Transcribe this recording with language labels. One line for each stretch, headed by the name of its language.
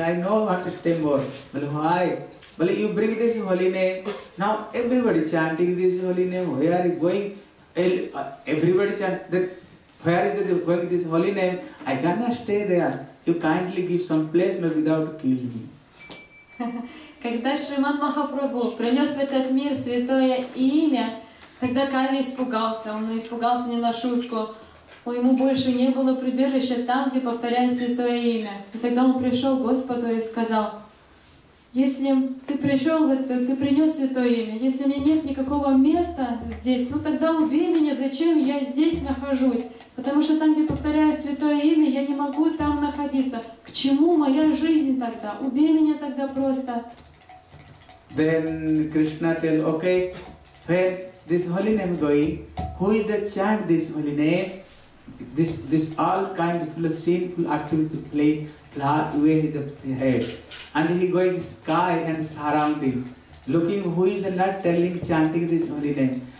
English: I know what to stand for. Well, why? Well, you bring this holy name. Now everybody chanting this holy name. Where are you going? Everybody chanting. Where are you going this holy name? I cannot stay there. You kindly give some place, maybe without killing me.
Russian: Когда Шриман Махапрабху принес в этот мир святое имя, тогда Кали испугался, он испугался не на шутку. Ему больше не было прибежища там, где повторяют святое имя. И тогда он пришел к Господу и сказал: «Если ты пришел, ты принес святое имя, если у меня нет никакого места здесь, ну тогда убей меня, зачем я здесь нахожусь? Потому что там, где повторяют святое имя, я не могу там находиться. К чему моя жизнь тогда? Убей меня тогда просто».
English: Then Krishna tell, okay, where this holy name going? who is the chant this holy name? This all kind of sinful activity play with the head. And he going sky and surrounding, looking who is the not telling, chanting this holy name.